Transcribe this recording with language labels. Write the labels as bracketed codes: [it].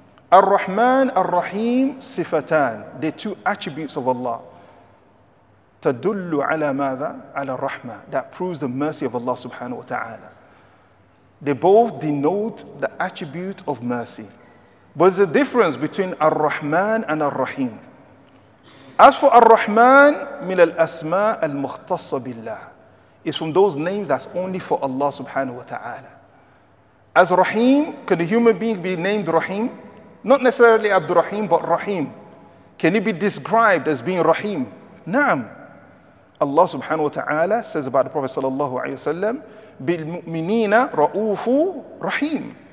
[en] Ar-Rahman Ar-Rahim Sifatan, the two attributes of Allah. [ar] تَدُلُّ عَلَى مَاذَا عَلَى الرَّحْمَةِ. [en] That proves the mercy of Allah subhanahu wa ta'ala. They both denote the attribute of mercy. But there's a difference between Ar-Rahman and Ar-Rahim. As for Ar-Rahman, [ar] مِنَ الْأَسْمَاءَ الْمُخْتَصَّ بِاللَّهِ. [en] It's from those names that's only for Allah subhanahu wa ta'ala. As Rahim, can a human being be named Rahim? Not necessarily Abdurrahim, but Rahim. Can he be described as being Rahim? [ar] نعم. [en] Allah subhanahu wa ta'ala says about the Prophet sallallahu alayhi wa sallam, [ar] بِالْمُؤْمِنِينَ رَؤُوفُ رَحِيمٌ.